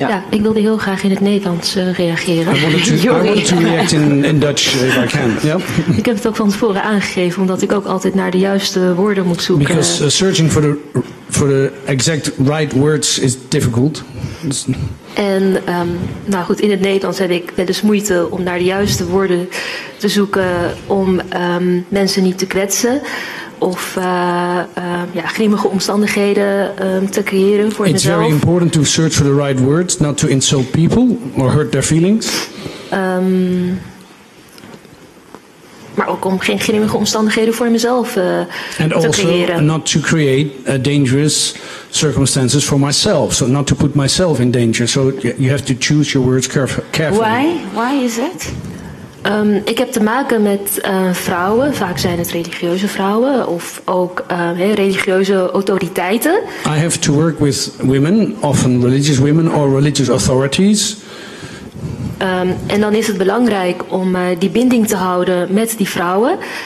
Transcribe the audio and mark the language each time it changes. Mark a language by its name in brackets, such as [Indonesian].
[Dutch] Ik wilde heel graag in het Nederlands reageren. [English] I wanted to react in Dutch if I can. Yeah. [Dutch] Ik heb het ook van tevoren aangegeven, omdat ik ook altijd naar de juiste woorden moet zoeken. [English] Because searching for the exact right words is difficult. [Dutch] En in het Nederlands heb ik wel eens moeite om naar de juiste woorden te zoeken om mensen niet te kwetsen. Of grimmige omstandigheden te creëren voor mezelf. [English] It's very important to search for the right words, not to insult people or hurt their feelings. [Dutch] Maar ook om geen grimmige omstandigheden voor mezelf te creëren. [English] And also not to create dangerous circumstances for myself. So not to put myself in danger. So you have to choose your words carefully. Why is it? [Dutch] Ik heb te maken met vrouwen, vaak zijn het religieuze vrouwen of ook religieuze autoriteiten. [English] I have to work with women, often religious women or religious authorities. [Dutch] En dan is het belangrijk om die binding te houden met die vrouwen.